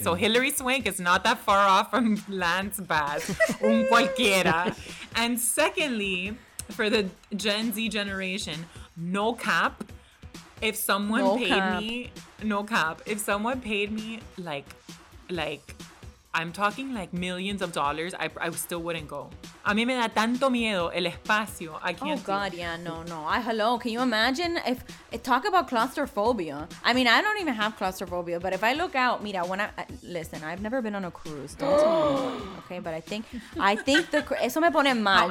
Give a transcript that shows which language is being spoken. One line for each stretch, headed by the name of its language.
English: So Hilary Swank is not that far off from Lance Bass,
Spanish: un cualquiera.
English: And secondly, for the Gen Z generation, no cap, if someone if someone paid me like I'm talking like millions of dollars, I still wouldn't go.
Spanish: A mí me da tanto miedo el espacio.
English: I can't. Oh God, no. Hello, can you imagine talk about claustrophobia? I mean, I don't even have claustrophobia, but if I look out, mira, I've never been on a cruise. Don't tell me. Okay, but I think the
Spanish: eso me pone mal.